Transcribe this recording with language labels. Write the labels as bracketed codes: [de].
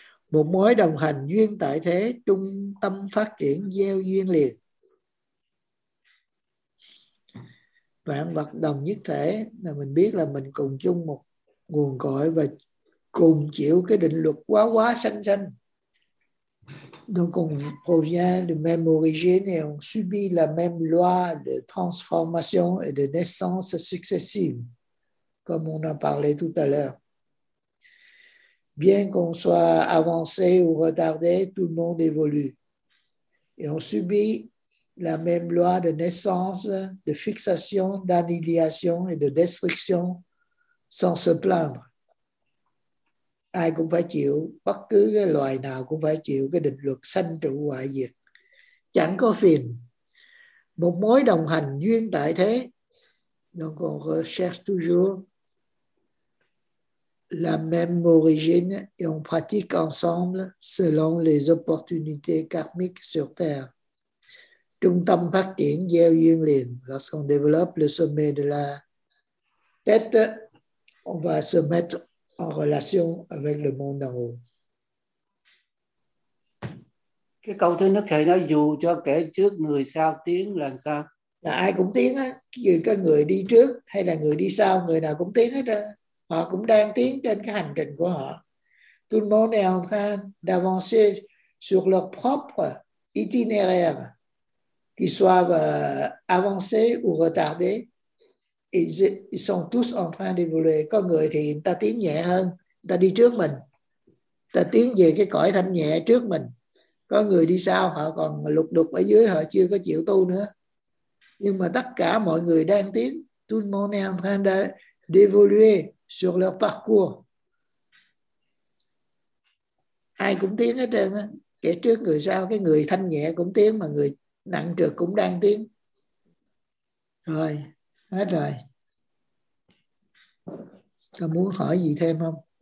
[vi] Một mối đồng hành duyên tại thế, trung tâm phát triển gieo duyên liền. Vạn vật đồng nhất thể là mình biết là mình cùng chung một nguồn cội và cùng chịu cái định luật quá quá sanh sanh. [fr] Donc on provient de même origine et on subit la même loi de transformation et de naissance successive, comme on a parlé tout à l'heure. Bien qu'on soit avancé ou retardé, tout le monde évolue. Et on subit la même loi de naissance, de fixation, d'annihilation et de destruction sans se plaindre. [vi] Ai cũng phải chịu, bất cứ cái loài nào cũng phải chịu cái định luật sanh trụ hoại diệt. Chẳng có phiền. Một mối đồng hành duyên tại thế. [fr] Donc on recherche toujours la même origine et on pratique ensemble selon les opportunités karmiques sur Terre. [vi] Trung tâm phát triển gieo duyên liền. [fr] Lorsqu'on développe le sommet de la tête, on va se mettre en relation avec le monde d'en haut. [vi] Cái câu thứ nhất thầy nói dù cho kẻ trước người sau tiến là sao? Là ai cũng tiến á, dù có người đi trước hay là người đi sau, người nào cũng tiến hết á. Họ cũng đang tiến trên cái hành trình của họ. [fr] Tout le monde est en train d'avancer sur leur propre itinéraire, qu'ils soient avancés ou retardés. Ils sont tous en train d'évoluer. [vi] Có người thì người ta tiến nhẹ hơn, người ta đi trước mình, người ta tiến về cái cõi thanh nhẹ trước mình. Có người đi sau, họ còn lục đục ở dưới, họ chưa có chịu tu nữa. Nhưng mà tất cả mọi người đang tiến. [fr] Tout le monde est en train d'évoluer sur leur parcours. [vi] Ai cũng tiến hết trơn á. Kể trước người sau, cái người thanh nhẹ cũng tiến, mà người nặng trược cũng đang tiến. Rồi. Hết rồi. Con muốn hỏi gì thêm không?